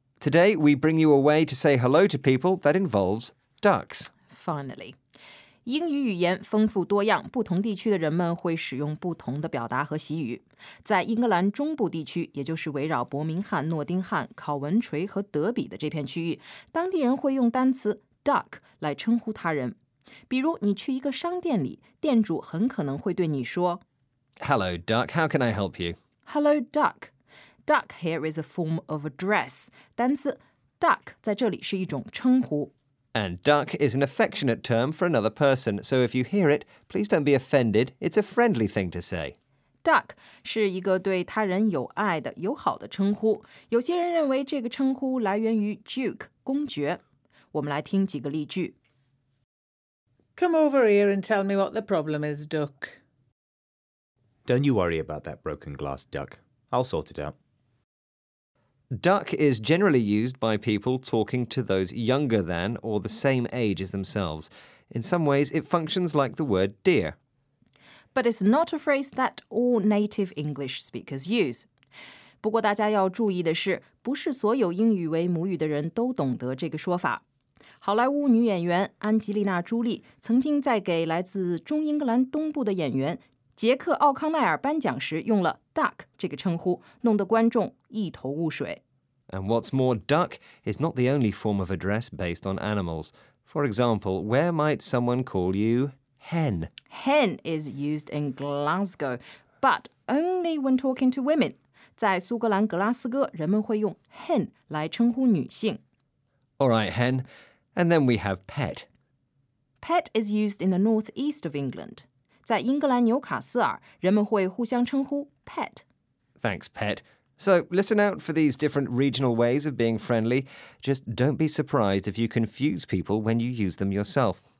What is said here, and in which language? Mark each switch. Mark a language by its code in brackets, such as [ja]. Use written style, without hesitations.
[en] Today, we bring you a way to say hello to people that involves ducks. Finally. [zh] 英语语言丰富多样，不同地区的人们会使用不同的表达和习语。在英格兰中部地区，也就是围绕伯明翰、诺丁汉、考文垂和德比的这片区域，当地人会用单词 duck 来称呼他人。比如你去一个商店里，店主很可能会对你说 [en] Hello, duck. How can I help you? Hello, duck. Duck here is a form of address. 单词 duck 在这里是一种称呼。 And duck is an affectionate term for another person. So if you hear it, please don't be offended. It's a friendly thing to say. [zh] Duck 是一个对他人有爱的、友好的称呼。有些人认为这个称呼来源于 duke, 公爵。我们来听几个例句。 [en] Come over here and tell me what the problem is, duck. Don't you worry about that broken glass, Duck. I'll sort it out. Duck is generally used by people talking to those younger than or the same age as themselves. In some ways, it functions like the word dear. But it's not a phrase that all native English speakers use. [zh] 不过大家要注意的是，不是所有英语为母语的人都懂得这个说法。好莱坞女演员安吉丽娜·朱莉曾经在给来自中英格兰东部的演员杰克·奥康奈尔颁奖时用了 duck 这个称呼，弄得观众一头雾水。 [en] And what's more, duck is not the only form of address based on animals. For example, where might someone call you hen? Hen is used in Glasgow, but only when talking to women. [zh] 在苏格兰格拉斯哥，人们会用 hen 来称呼女性。 [en] All right, hen. And then we have pet. Pet is used in the northeast of England. [zh] 在英格兰纽卡斯尔，人们会互相称呼 pet. [en] Thanks, pet. So, listen out for these different regional ways of being friendly. Just don't be surprised if you confuse people when you use them yourself.